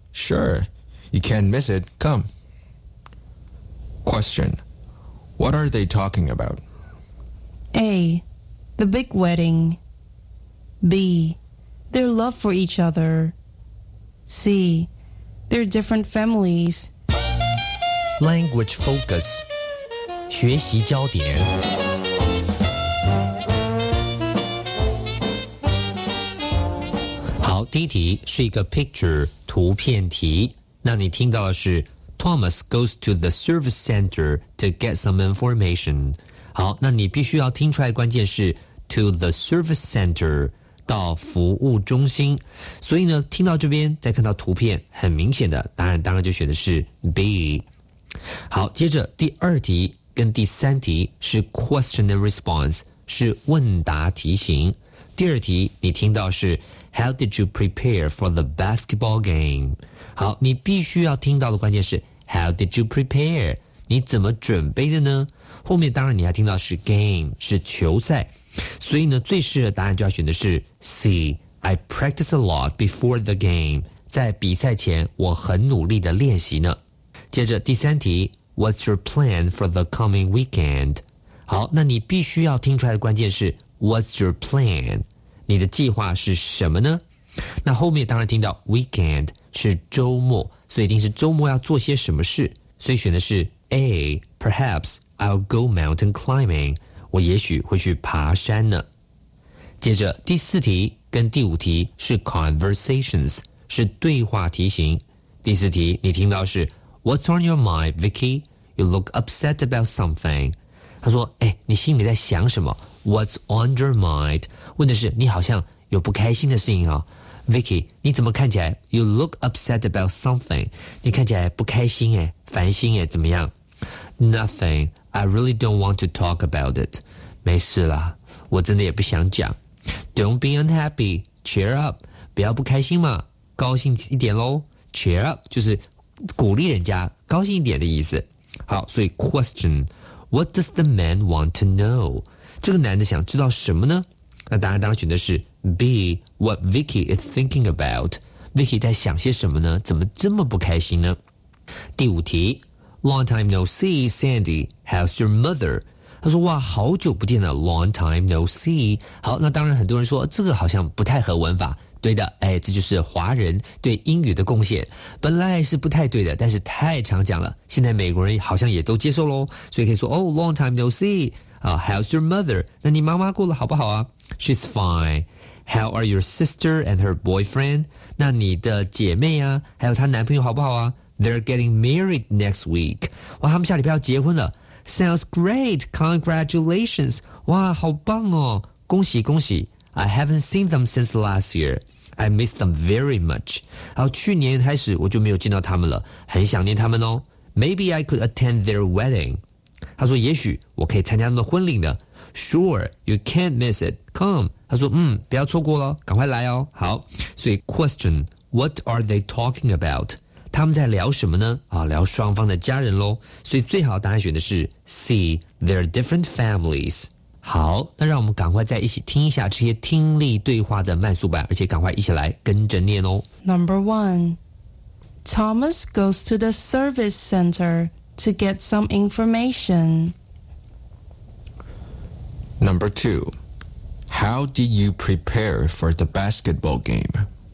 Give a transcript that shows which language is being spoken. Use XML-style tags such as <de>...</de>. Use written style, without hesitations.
<en>Sure. You can't miss it. Come. Question. What are they talking about? A. The big wedding. B. Their love for each other. C. They're different families. Language focus.</en> <zh>学习焦点 好，第一题是一个 picture 图片题。那你听到的是</zh> <en>Thomas goes to the service center to get some information.</en> <zh>好，那你必须要听出来关键是</zh> <en>to the service center.</en> <zh>到服务中心，所以呢，听到这边再看到图片，很明显的，当然就选的是 B。好，接着第二题跟第三题是</zh> <en>question and response，</en> <zh>是问答题型。第二题你听到是</zh> <en>How did you prepare for the basketball game？</en> <zh>好，你必须要听到的关键是</zh> <en>How did you prepare？</en> <zh>你怎么准备的呢？后面当然你还听到是 game， 是球赛。所以呢，最适合的答案就要选的是 C.</zh> <en>I practice a lot before the game.</en> <zh>在比赛前，我很努力的练习呢。接着第三题</zh> <en>，What's your plan for the coming weekend？</en> <zh>好，那你必须要听出来的关键是</zh> <en>What's your plan？</en> <zh>你的计划是什么呢？那后面当然听到 weekend 是周末，所以一定是周末要做些什么事。所以选的是 A.</zh> <en>Perhaps I'll go mountain climbing.</en> <zh>我也许会去爬山呢。接着第四题跟第五题是 conversations， 是对话题型。第四题你听到是</zh> <en>What's on your mind, Vicky? You look upset about something.</en> <zh>他说哎，你心里在想什么 ?</zh> <en>What's on your mind?</en> <zh>问的是你好像有不开心的事情啊。 Vicky, 你怎么看起来 ?</zh> <en>You look upset about something.</en> <zh>你看起来不开心哎，烦心哎，怎么样 ?</zh> <en>Nothing. I really don't want to talk about it.</en> <zh>没事啦，我真的也不想讲。</zh> <en>Don't be unhappy. Cheer up.</en> <zh>不要不开心嘛，高兴一点咯。</zh> <en>Cheer up</en> <zh>就是鼓励人家高兴一点的意思。好，所以 question.</zh> <en>What does the man want to know?</en> <zh>这个男的想知道什么呢？那答案当然选的是 B.</zh> <en>What Vicky is thinking about.</en> <zh>Vicky 在想些什么呢？怎么这么不开心呢？第五题。</zh> <en>Long time no see, Sandy. How's your mother?</en> <zh>他说哇，好久不见了 ，</zh> <en>Long time no see。</en> <zh>好，那当然很多人说这个好像不太合文法。对的，哎，这就是华人对英语的贡献。本来是不太对的，但是太常讲了，现在美国人好像也都接受咯，所以可以说</zh> <en>Oh, long time no see. How's your mother?</en> <zh>那你妈妈过得好不好啊？</zh> <en>She's fine. How are your sister and her boyfriend?</en> <zh>那你的姐妹啊，还有她男朋友好不好啊？</zh> <en>They're getting married next week.</en> <zh>哇，他们下礼拜要结婚了。</zh> <en>Sounds great. Congratulations.</en> <zh>哇，好棒哦，恭喜恭喜。</zh> <en>I haven't seen them since last year. I miss them very much.</en> <zh>然后去年开始我就没有见到他们了，很想念他们哦。</zh> <en>Maybe I could attend their wedding.</en> <zh>他说也许我可以参加他们的婚礼呢。</zh> <en>Sure, you can't miss it. Come.</en> <zh>他说嗯，不要错过咯，赶快来哦。好，所以</zh> <en>question, what are they talking about?</en> <zh>他们在聊什么呢？啊，聊双方的家人咯。所以最好的答案选的是 C,</zh> <en>their different families.</en> <zh>好，那让我们赶快再一起听一下这些听力对话的慢速版，而且赶快一起来跟着念哦。</zh> <en>Number one, Thomas goes to the service center to get some information. Number two, how did you prepare for the basketball game?</en>